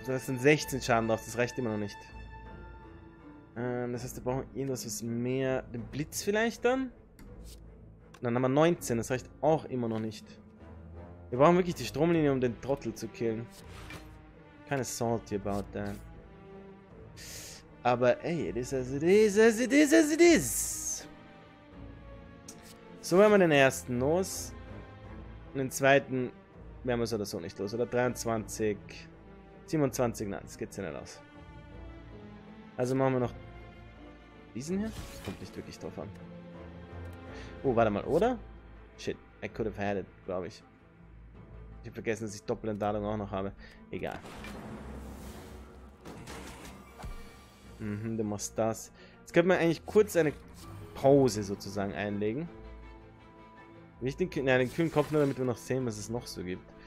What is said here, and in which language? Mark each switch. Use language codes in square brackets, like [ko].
[de] Das sind 16 Schaden drauf, das reicht immer noch nicht. Das heißt, wir brauchen irgendwas, was mehr. Den Blitz vielleicht dann? Dann haben wir 19, das reicht auch immer noch nicht. Wir brauchen wirklich die Stromlinie, um den Trottel zu killen. Keine Sorge [en] about that. [de] Aber ey, [en] it is as it is, as it is, as it is. [de] So werden wir den ersten los. Und den zweiten werden wir es oder so nicht los. Oder 23, 27, nein, das geht's ja nicht aus. Also machen wir noch diesen hier. Das kommt nicht wirklich drauf an. Oh, warte mal, oder? [en] Shit, I could have had it, [de] glaube ich. Ich habe vergessen, dass ich Doppelentladung auch noch habe. Egal. Mhm, du machst das. Jetzt könnte man eigentlich kurz eine Pause sozusagen einlegen. Nicht den kühlen Kopf nur, damit wir noch sehen, was es noch so gibt.